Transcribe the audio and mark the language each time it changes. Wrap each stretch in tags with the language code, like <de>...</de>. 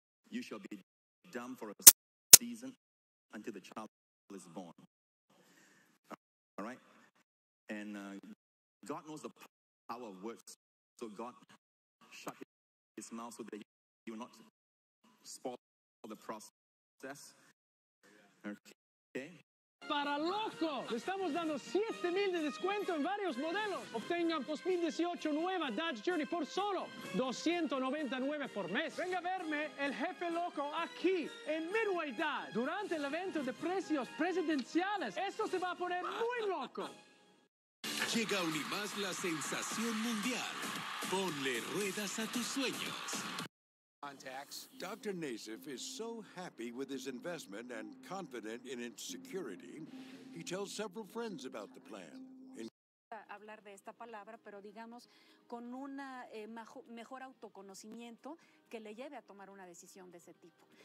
<en>You shall be dumb for a season until the child is born. All right? And God knows the power of words. So God shut his mouth so that he will not spoil the process. Okay?</en> <es>Para loco! Le estamos dando 7,000 de descuento en varios modelos. Obtengan 2018 nueva Dodge Journey por solo 299 por mes. Venga a verme el jefe loco aquí en Midway Dodge durante el evento de precios presidenciales. Esto se va a poner muy loco. Llega aún más la sensación mundial. Ponle ruedas a tus sueños.</es> <en>Contacts. Dr. Nassif is so happy with his investment and confident in its security, he tells several friends about the plan.</en> <es>Hablar de esta palabra, pero digamos con una mejor autoconocimiento que le lleve a tomar una decisión de ese tipo.</es>